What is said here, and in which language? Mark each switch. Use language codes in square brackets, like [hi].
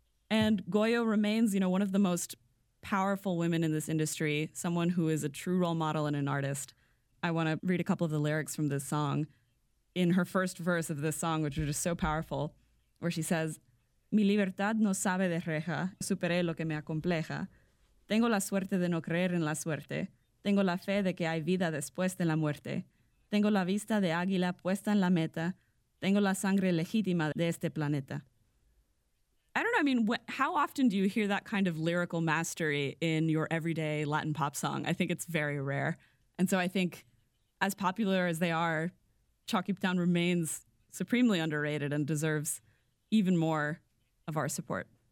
[en] And Goyo remains, you know, one of the most powerful women in this industry, someone who is a true role model and an artist. I want to read a couple of the lyrics from this song. In her first verse of this song, which was just so powerful, where she says, [es] "Mi libertad no sabe de reja, superé lo que me acompleja. Tengo la suerte de no creer en la suerte. Tengo la fe de que hay vida después de la muerte. Tengo la vista de águila puesta en la meta. Tengo la sangre legítima de este planeta." [en] I don't know. I mean, how often do you hear that kind of lyrical mastery in your everyday Latin pop song? I think it's very rare. And so I think as popular as they are, Chalkytown remains supremely underrated and deserves even more of our support.